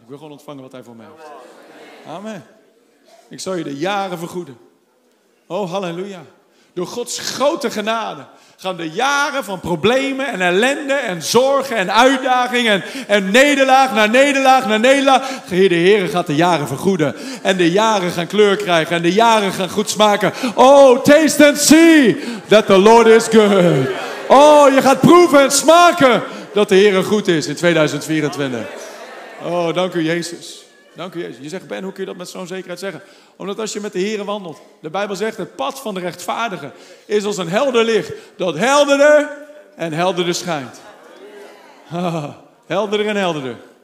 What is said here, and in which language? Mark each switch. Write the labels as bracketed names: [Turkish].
[Dutch] Ik wil gewoon ontvangen wat hij voor mij heeft. Amen. Ik zal je de jaren vergoeden. Oh, halleluja. Door Gods grote genade gaan de jaren van problemen en ellende en zorgen en uitdagingen en nederlaag naar nederlaag naar nederlaag. De Heere gaat de jaren vergoeden. En de jaren gaan kleur krijgen. En de jaren gaan goed smaken. [English] Oh, taste and see that the Lord is good. [Dutch] Oh, je gaat proeven en smaken dat de Heere goed is in 2024. Oh, dank u, Jezus. Dank u, Jezus. Je zegt, Ben, hoe kun je dat met zo'n zekerheid zeggen? Omdat als je met de Heere wandelt, de Bijbel zegt, het pad van de rechtvaardigen is als een helder licht, dat helderder en helderder schijnt. Helderder en helderder.